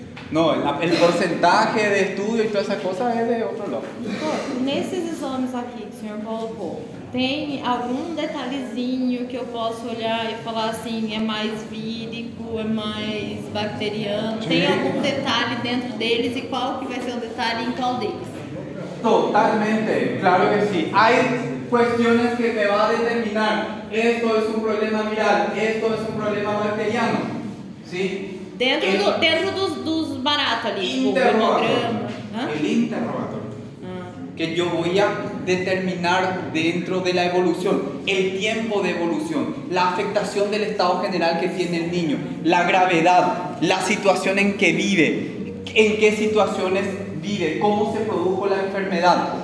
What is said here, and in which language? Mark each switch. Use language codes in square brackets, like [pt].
[es] No, el porcentaje de estudio y toda esa cosa es de otro lado. [pt] Nesses exames aqui que o senhor colocou, tem algum detalhezinho que eu posso olhar e falar assim, é mais vírico, é mais bacteriano? Tem algum detalhe dentro deles e qual que vai ser o detalhe em qual deles? Totalmente, claro que sim. Aí... [es] cuestiones que me va a determinar, esto es un problema viral, esto es un problema bacteriano, ¿sí? [pt] Dentro dos baratos ali, [es] el interrogatorio, que yo voy a determinar dentro de la evolución, el tiempo de evolución, la afectación del estado general que tiene el niño, la gravedad, la situación en que vive, en qué situaciones vive, cómo se produjo la enfermedad.